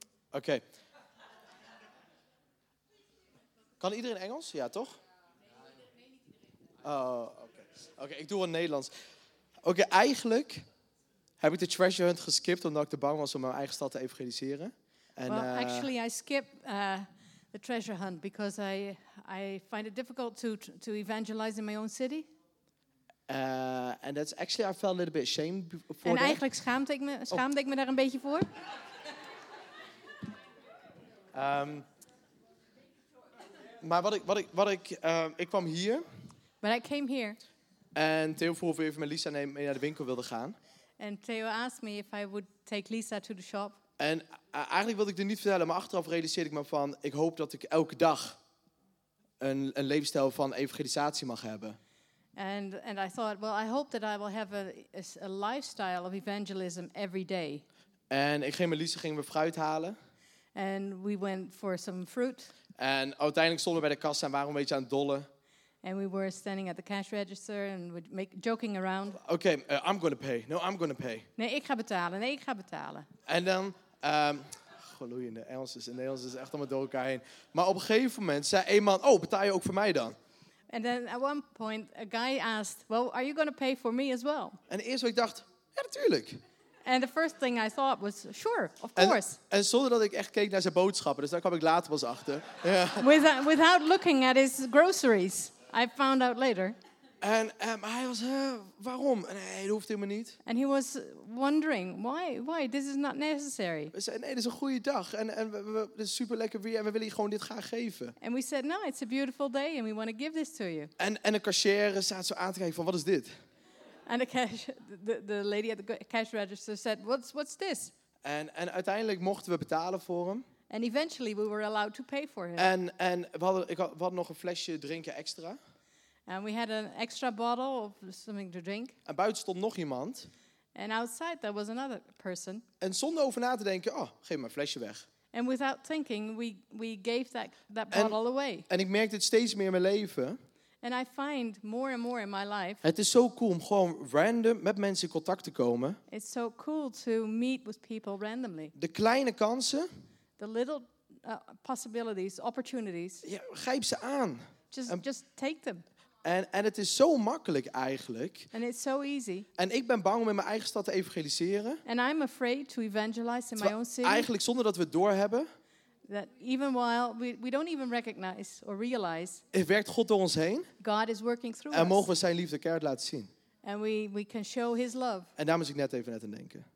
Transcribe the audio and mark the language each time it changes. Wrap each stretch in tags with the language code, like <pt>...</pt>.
<nl>Oké. Kan iedereen Engels? Ja, toch? Oké, ik doe een Nederlands. Oké, eigenlijk heb ik de treasure hunt geskipt omdat ik te bang was om mijn eigen stad te evangeliseren.</nl> <en>And, well, actually, I skip the treasure hunt because I find it difficult to evangelize in my own city. And that's actually, I felt a little bit ashamed before.</en> <nl>En eigenlijk schaamde ik me daar een beetje voor. Maar ik kwam hier.</nl> <en>But I came here.</en> <nl>En Theo vroeg of even met Lisa mee naar de winkel wilde gaan.</nl> <en>And Theo asked me if I would take Lisa to the shop.</en> <nl>En eigenlijk wilde ik dit niet vertellen, maar achteraf realiseerde ik me van, ik hoop dat ik elke dag een levensstijl van evangelisatie mag hebben.</nl> <en>And I thought, well, I hope that I will have a lifestyle of evangelism every day.</en> <nl>En ik ging met Lisa fruit halen.</nl> <en>And we went for some fruit.</en> <nl>En uiteindelijk stonden we bij de kassa en waren een beetje aan het dollen.</nl> <en>And we were standing at the cash register and we were joking around. Okay, I'm going to pay. No, I'm going to pay.</en> <nl>Nee, ik ga betalen. Nee, ik ga betalen. En dan, gloeiende Engels. In Nederlands is echt allemaal door elkaar heen. Maar op een gegeven moment zei een man, oh, betaal je ook voor mij dan?</nl> <en>And then at one point a guy asked, well, are you going to pay for me as well?</en> <nl>En eerst wat ik dacht, ja, natuurlijk.</nl> <en>And the first thing I thought was, sure, of course.</en> <nl>En zonder dat ik echt keek naar zijn boodschappen, dus daar kwam ik later pas achter.</nl> <en>Yeah. Without looking at his groceries. I found out later.</en> <nl>En hij was, waarom? Nee, dat hoeft helemaal niet.</nl> <en>And he was wondering, why, this is not necessary.</en> <nl>We zeiden, nee, dit is een goede dag. En het is super lekker weer en we willen je gewoon dit graag geven.</nl> <en>And we said, no, it's a beautiful day and we want to give this to you.</en> <nl>En de cashier staat zo aan te kijken van, wat is dit?</nl> <en>And the lady at the cash register said, what's this?</en> <nl>En uiteindelijk mochten we betalen voor hem.</nl> <en>And eventually we were allowed to pay for him.</en> <nl>We hadden nog een flesje drinken extra.</nl> <en>And we had an extra bottle of something to drink.</en> <nl>En buiten stond nog iemand.</nl> <en>And outside there was another person.</en> <nl>En zonder over na te denken, oh, geef mijn flesje weg.</nl> <en>And without thinking, we gave that bottle away.</en> <nl>En ik merkte het steeds meer in mijn leven.</nl> <en>And I find more and more in my life.</en> <nl>Het is zo cool om gewoon random met mensen in contact te komen.</nl> <en>It's so cool to meet with people randomly.</en> <nl>De kleine kansen.</nl> <en>The little possibilities, opportunities.</en> <nl>Ja, grijp ze aan.</nl> <en>Just take them.</en> <nl>En het is zo makkelijk eigenlijk.</nl> <en>And it's so easy.</en> <nl>En ik ben bang om in mijn eigen stad te evangeliseren.</nl> <en>And I'm afraid to evangelize in my own city.</en> <nl>Eigenlijk zonder dat we het doorhebben.</nl> <en>That even while we don't even recognize or realize.</en> <nl>Het werkt God door ons heen.</nl> <en>God is working through us.</en> <nl>En mogen we zijn liefde keihard laten zien.</nl> <en>And we can show his love.</en> <nl>En daar moest ik net even net aan denken.</nl>